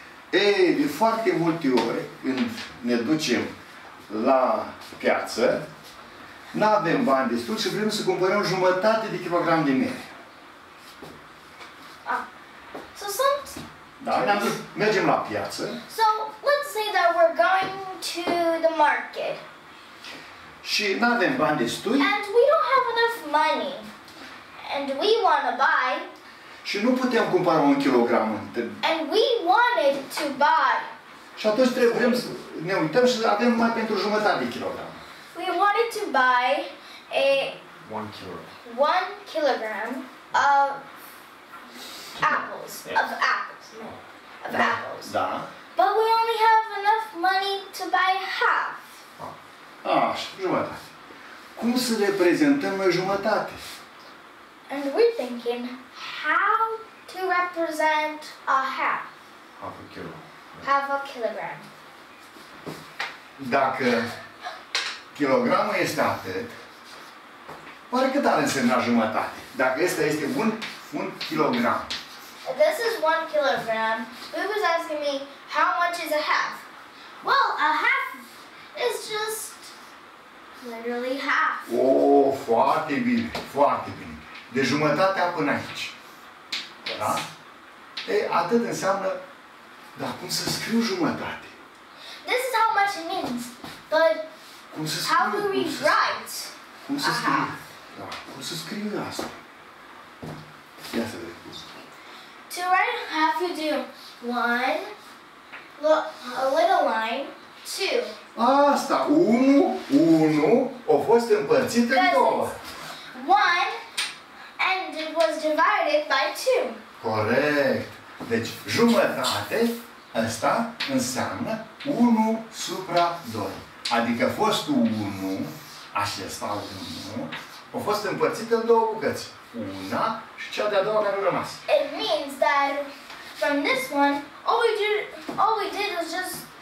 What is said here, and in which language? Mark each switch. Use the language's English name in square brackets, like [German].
[Romanian] Ei, de foarte multe ori, când ne ducem la piață, n-avem bani destul și vrem să cumpărăm jumătate de kilogram de mere. Da, ne-am dus, mergem la piață. [English] So, let's say that we're going to the market. [Romanian] Și n-avem bani destul. [English] And we don't have enough money. And we want to buy. [Romanian] Și nu putem cumpăra un kilogram. [English] And we wanted to buy. [Romanian] Și atunci trebuie să ne uităm și avem mai pentru jumătate de kilogram. [English] We wanted to buy a 1 kilogram of apples. Yes. Of apples. [Romanian] Da. [English] But we only have enough money to buy half. [Romanian] Așa, jumătate. Cum să reprezentăm noi jumătate? [English] And we're thinking how to represent a half. Half a kilo. Half a kilogram. [Romanian] Dacă kilogramul este atât, oare cât ar însemna jumătate? Dacă ăsta este un kilogram. [English] This is 1 kilogram. Boo was asking me, how much is a half? Well, a half is just literally half. [Romanian] Oh, foarte bine, foarte bine. De jumătatea până aici. [English] Yes. [Romanian] Da? Ei, atât înseamnă, dar cum să scriu jumătate? [English] This is how much it means, but [Romanian] cum să scriu, [English] how do we write [Romanian] cum să scriu, da, cum să scriu asta? Ia să vedem. [English] To write half, you do one, a little line, two. [Romanian] Asta, unu, a fost împărțit în două. [English] One, and it was divided by two. [Romanian] Corect. Deci, jumătate, asta înseamnă 1/2. Adică fost 1, acesta 1, a fost împărțit în două bucăți. Una și cea de-a doua care a rămas. [English] It means that from this one, all we did was just